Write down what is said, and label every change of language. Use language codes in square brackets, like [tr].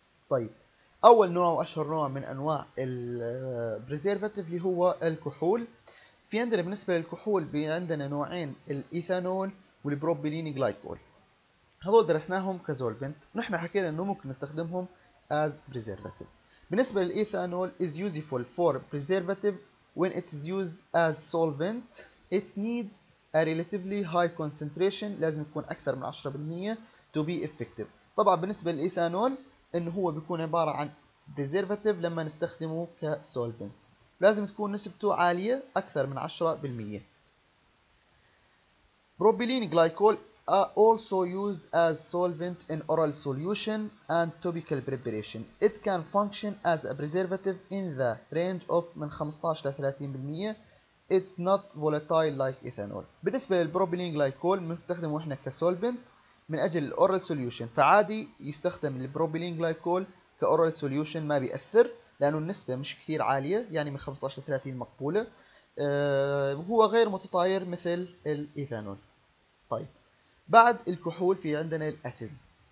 [ar] طيب اول نوع واشهر نوع من انواع البريزيرفاتيف اللي هو الكحول. في عندنا بالنسبه للكحول عندنا نوعين، الايثانول والبروبيلين جلايكول، هذول درسناهم كزولفنت ونحن حكينا انه ممكن نستخدمهم [en] As preservative. [ar] بالنسبه للايثانول [en] is useful for preservative when it is used as solvent it needs a relatively high concentration، [ar] لازم يكون اكثر من [en] 10% to be effective. [ar] طبعا بالنسبه للايثانول انه هو بيكون عبارة عن بريزيرفاتيف لما نستخدمه كسولفنت، لازم تكون نسبته عالية اكثر من 10%. [en] Propylene glycol also used as solvent in oral solution and topical preparation. It can function as a preservative in the range of [ar] من 15 ل [en] 30%. it's not volatile like ethanol. [ar] بالنسبة للبروبيلين جليكول بنستخدمه احنا كسولفنت من اجل الاورال سوليوشن، فعادي يستخدم البروبيلين جليكول كاورال سوليوشن، ما بيأثر لانه النسبة مش كثير عالية، يعني من 15 ل 30 مقبولة. هو غير متطاير مثل الايثانول. طيب بعد الكحول في عندنا الاسيدز.